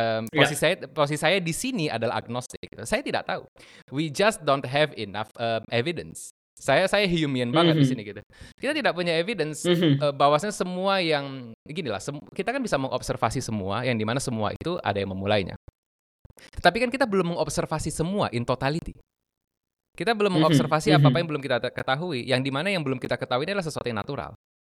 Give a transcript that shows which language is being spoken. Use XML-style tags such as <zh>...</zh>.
<id>Posisi saya di sini adalah agnostik. Saya tidak tahu.</id> <en>We just don't have enough evidence.</en> <id>Saya Humean banget di sini gitu. Kita tidak punya evidence bahwasanya semua yang beginilah. Kita kan bisa mengobservasi semua yang dimana semua itu ada yang memulainya. Tetapi kan kita belum mengobservasi semua</id> <en>in totality.</en> <id>Kita belum mengobservasi apa-apa yang belum kita ketahui, yang dimana yang belum kita ketahui adalah sesuatu yang natural.</id>